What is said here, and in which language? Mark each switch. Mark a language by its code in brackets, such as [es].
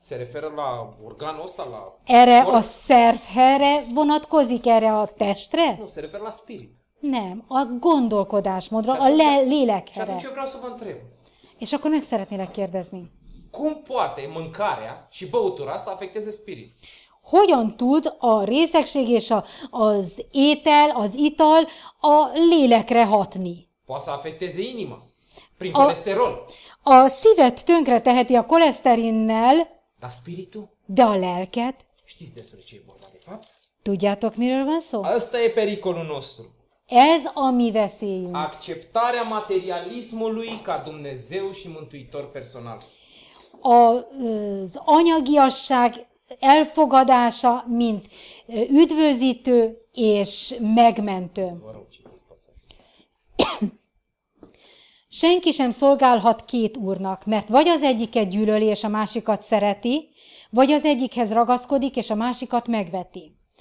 [ro] Se referă la organul ăsta, la... [hu] Erre a szervre vonatkozik, erre a testre? [ro] Nu, se referă la spirit. [hu] Nem, a gondolkodásmódra, a lélekre. És akkor meg szeretnélek kérdezni. [ro] Cum poate mâncarea și băutura să afecteze spirit? [hu] Hogyan tud a részegség és az étel, az ital a lélekre hatni? [ro] Poate să afecteze inima. Prin colesterol. [hu] A szívet tönkre teheti a koleszterinnel. [ro] La spiritul. [hu] De a lelket. [ro] Știți despre ce e vorba, de fapt? [hu] Tudjátok, miről van szó? [ro] Asta e pericolul nostru. [hu] Ez a mi veszélyünk. [ro] Acceptarea materialismului ca Dumnezeu și Mântuitor personal. [hu] Az anyagiasság elfogadása, mint üdvözítő és megmentő. Senki sem szolgálhat két úrnak, mert vagy az egyiket gyűlöli és a másikat szereti, vagy az egyikhez ragaszkodik és a másikat megveti.